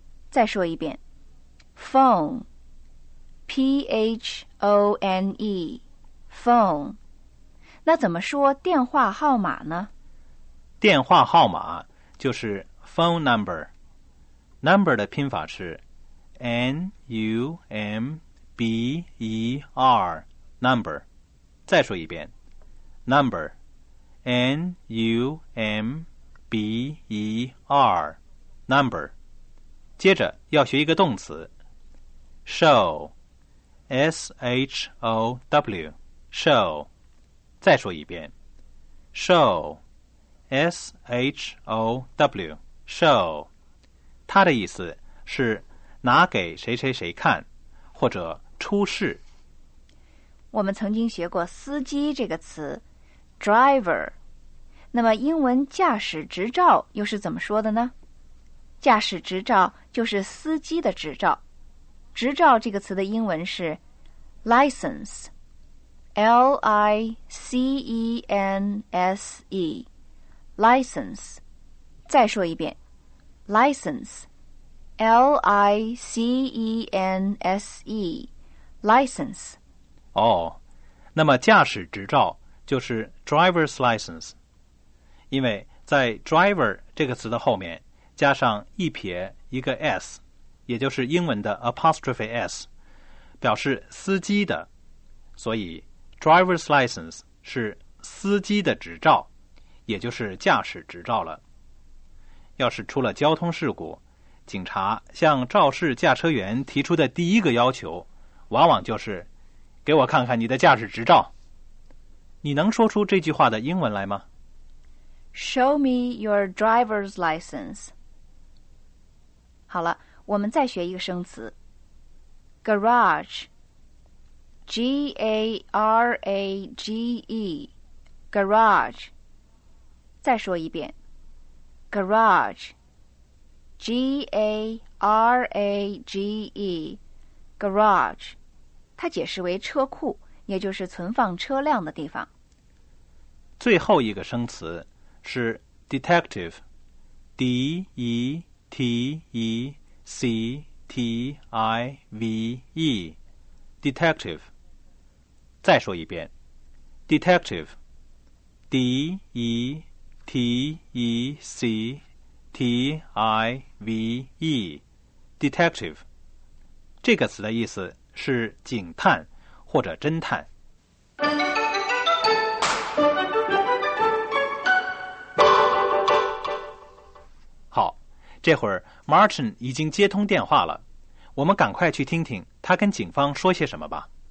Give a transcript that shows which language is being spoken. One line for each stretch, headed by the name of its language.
Chinese: 再说一遍 Phone，P-H-O-N-E， phone。那怎么说电话号码呢？电话号码就是 phone number， number 的拼法是 N-U-M-B-E-R， number。再说一遍 number， N-U-M-B-E-R， number。接着要学一个动词 show，S-H-O-W， show。再说一遍 show， S-H-O-W， show。它的意思是拿给谁谁谁看，或者出示。我们曾经学过司机这个词 driver， 那么英文驾驶执照又是怎么说的呢？驾驶执照就是司机的执照，执照这个词的英文是License， L-I-C-E-N-S-E， License。再说一遍 License， L-I-C-E-N-S-E， License。哦，那么驾驶执照就是 driver's license， 因为在 driver 这个词的后面加上一撇一个 s， 也就是英文的 apostrophe s， 表示司机的，所以 driver's license 是司机的执照，也就是驾驶执照了。要是出了交通事故，警察向肇事驾车员提出的第一个要求往往就是给我看看你的驾驶执照。你能说出这句话的英文来吗？
English: Show me your driver's license。
Chinese: 好了，我们再学一个生词 Garage， G-A-R-A-G-E， Garage。再说一遍 Garage， G-A-R-A-G-E， Garage。它解释为车库，也就是存放车辆的地方。最后一个生词是 detective， D-E-T-E-C-T-I-V-E， detective。再说一遍 detective， D-E-T-E-C-T-I-V-E， detective。这个词的意思是警探或者侦探。好，这会儿 Martin 已经接通电话了，我们赶快去听听他跟警方说些什么吧。